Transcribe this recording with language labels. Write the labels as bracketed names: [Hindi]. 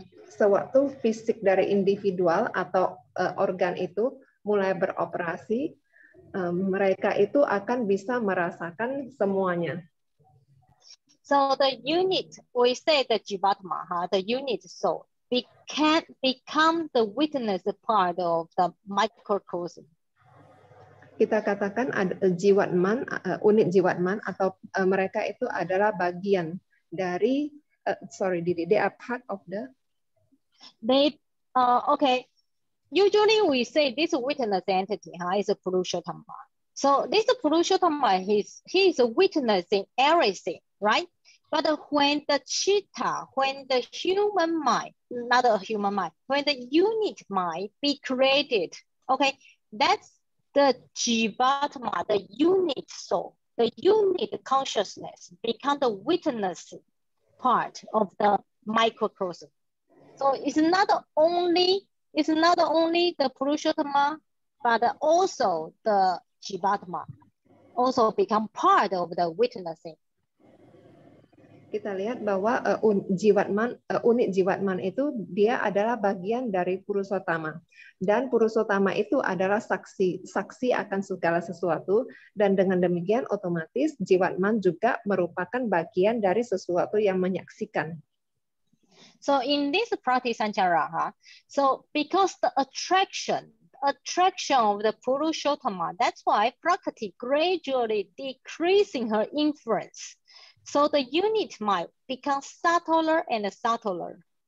[Indonesian] Sewaktu fisik dari individual atau organ itu mulai beroperasi, mereka itu akan bisa merasakan semuanya. [English] So the unit, we say the jivatma, the unit soul, become the witness part of the microcosm. [Indonesian] Kita katakan ada jivatman, unit jivatman, atau mereka itu adalah bagian dari [English] they are part of the okay. Usually we say this witness entity, huh, is a Purushottama. So this Purushottama, he is witnessing everything, right? But when the citta, when the human mind, not a human mind, when the unit mind be created, okay, that's the jivatma, the unit soul, the unit consciousness become the witness part of the microcosm. So it's not only the Purushottama, but also the jivatma also become part of the witnessing. [Indonesian] Kita lihat bahwa unit jivatman itu dia adalah bagian dari Purushottama, dan Purushottama itu adalah saksi akan segala sesuatu, dan dengan demikian otomatis jivatman juga merupakan bagian dari sesuatu yang menyaksikan. [English] So in this pratisanchara, so because the attraction of the Purushottama, that's why Prakriti gradually decreasing her influence. So the unit mind becomes subtler and subtler.